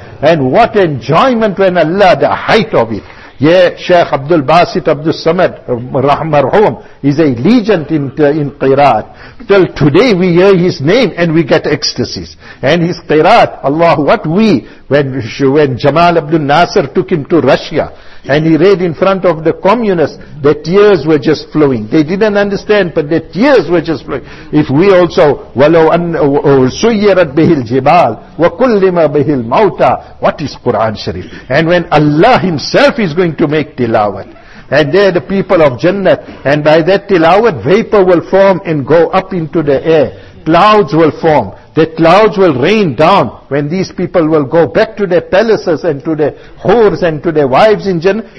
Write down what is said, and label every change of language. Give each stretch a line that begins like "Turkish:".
English: And what enjoyment when Allah, the height of it. Yeah, Shaykh Abdul Basit Abdul Samad, Rahmarhum, is a legend in Qiraat. Till today we hear his name and we get ecstasies. And his Qiraat, Allah, what we, when Jamal Abdul Nasser took him to Russia, and he read in front of the communists, the tears were just flowing. They didn't understand, but the tears were just flowing. If we also,
Arabic: وَلَوْ أَنَّ سُيِّرَتْ بِهِ الْجِبَالِ وَكُلِّمَ بِهِ الْمَوْتَى.
English: What is Quran Sharif? And when Allah himself is going to make tilawat, and they're the people of Jannah, and by that tilawat, vapor will form and go up into the air. Clouds will form. The clouds will rain down when these people will go back to their palaces and to their whores and to their wives in Jannah.